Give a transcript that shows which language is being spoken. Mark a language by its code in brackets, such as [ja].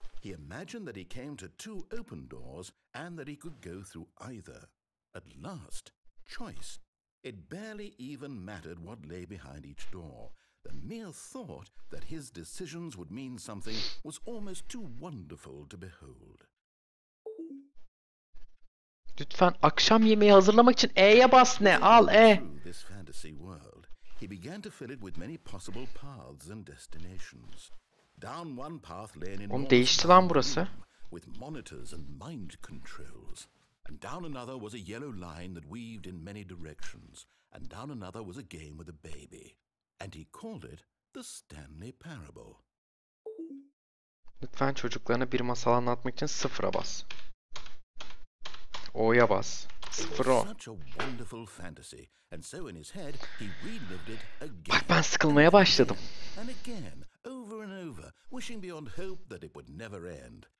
[en] He imagined that he came to two open doors and that he could go through either. At last, choice. It barely even mattered what lay behind each door. The mere thought that his decisions would mean something was almost too wonderful to behold. [tr] Lütfen akşam yemeği hazırlamak için E'ye bas ne? Al E. [en] Through this fantasy world, he began to fill it with many possible paths and destinations. Down one path lay an enormous room with monitors and mind controls. And down another was a yellow line that weaved in many directions. And down another was a game with a baby. And he called it the Stanley Parable. [tr] Lütfen çocuklarına bir masal anlatmak için sıfıra bas. O'ya bas. Sıfır o. [en] Such a wonderful fantasy. And so in his head, he relived it again. [tr] Bak ben sıkılmaya başladım. [en] And again, over and over, wishing beyond hope that it would never end.